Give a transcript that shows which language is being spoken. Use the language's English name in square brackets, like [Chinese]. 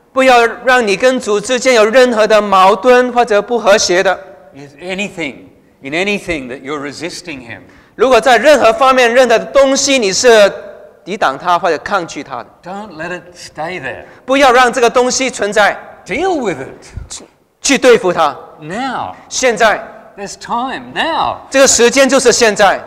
[Chinese] 不要让你跟主之间有任何的矛盾或者不和谐的。 [English] Is anything in anything that you're resisting him? [Chinese] 如果在任何方面、任何的东西你是抵挡他或者抗拒他的。 [English] Don't let it stay there. [Chinese] 不要让这个东西存在。 [English] Deal with it. [Chinese] 去对付他。 [English] Now. [Chinese] 现在。 [English] There's time now. [Chinese] 这个时间就是现在。